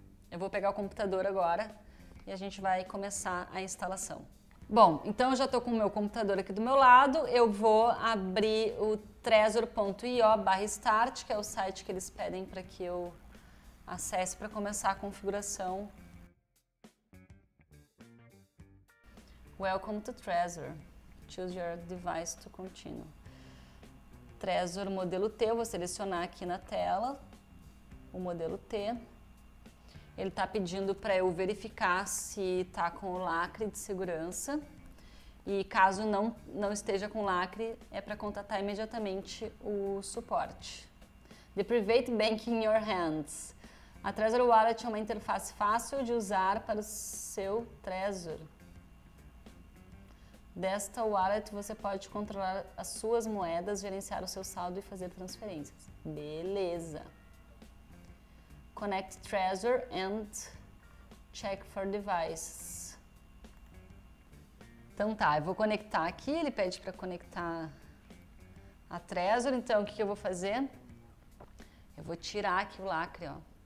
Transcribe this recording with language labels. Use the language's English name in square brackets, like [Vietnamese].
[Portuguese] Eu vou pegar o computador agora e a gente vai começar a instalação. Bom, então eu já estou com o meu computador aqui do meu lado. Eu vou abrir o trezor.io/start, que é o site que eles pedem para que eu acesse para começar a configuração. [English] Welcome to Trezor. Choose your device to continue. [Portuguese] Trezor modelo T, eu vou selecionar aqui na tela o modelo T. Ele está pedindo para eu verificar se está com o lacre de segurança. E caso não esteja com lacre, é para contatar imediatamente o suporte. [English] The Private Banking in Your Hands. [Portuguese] A Trezor Wallet é uma interface fácil de usar para o seu Trezor. Desta wallet você pode controlar as suas moedas, gerenciar o seu saldo e fazer transferências. Beleza! [English] Connect Trezor and check for devices. [Portuguese] Então tá, eu vou conectar aqui. Ele pede para conectar a Trezor. Então o que que eu vou fazer? Eu vou tirar aqui o lacre, ó.